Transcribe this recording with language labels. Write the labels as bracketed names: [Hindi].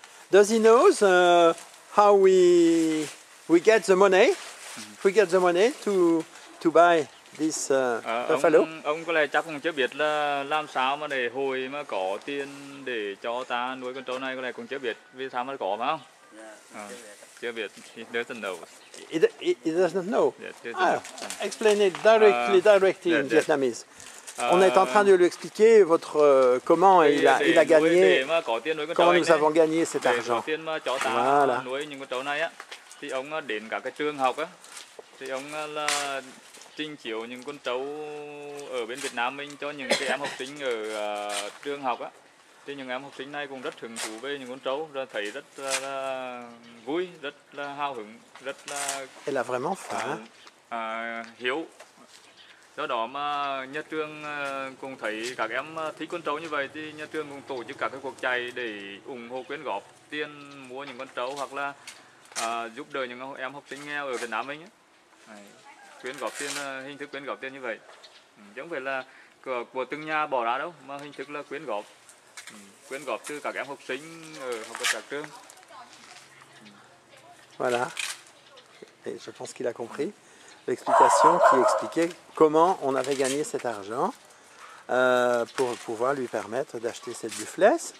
[English] Does he knows how we get the money? We get the money to buy this buffalo. [Vietnamese] Ông có lẽ chắc cũng chưa biết là làm sao mà để hồi mà có tiền để cho ta nuôi con trâu này, có lẽ cũng chưa biết vì sao mà có phải không? [English] He doesn't know. He doesn't know. Yeah, explain it directly, in Vietnamese. [French] On est en train de lui expliquer comment il a gagné, comment nous avons gagné cet argent. Voilà. [Vietnamese] Thì ông đến cả cái trường học á, thì ông là trình chiếu những con trâu ở bên Việt Nam mình cho những cái em học sinh ở trường học á. Thì những em học sinh này cũng rất hứng thú về những con trâu, rất thấy rất là vui, rất là hào hứng, rất là [French] elle a vraiment faim. [Vietnamese] Hiếu. Do đó mà nhà trường cũng thấy các em thích con trâu như vậy thì nhà trường cũng tổ chức các cái cuộc chạy để ủng hộ quyên góp tiền mua những con trâu hoặc là giúp đỡ những em học sinh nghèo ở Việt Nam mình á. Quyên góp tiền, hình thức quyên góp tiền như vậy. Chứ không phải là của từng nhà bỏ ra đâu, mà hình thức là quyên góp. Quyên góp từ các em học sinh ở học tập các trường. [French] Voilà. Et je pense qu'il a compris. L'explication qui expliquait comment on avait gagné cet argent pour pouvoir lui permettre d'acheter cette buffles.